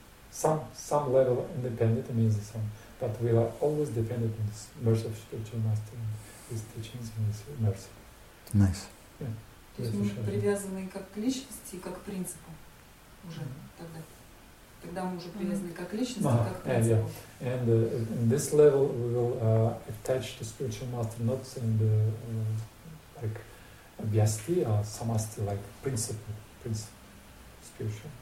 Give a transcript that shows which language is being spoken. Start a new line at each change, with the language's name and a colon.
English: Some level independent means some, but we are always dependent on the mercy of spiritual master and his teachings and his mercy. Nice. Yeah.
Russian: Привязаны как к личности, как к принципу. Уже тогда. Когда мы уже привязаны как к личности, как к принципу.
English: Yeah. And in this level we will attach to spiritual master, not in the like Vyasti or Samasti, like principle, spiritual.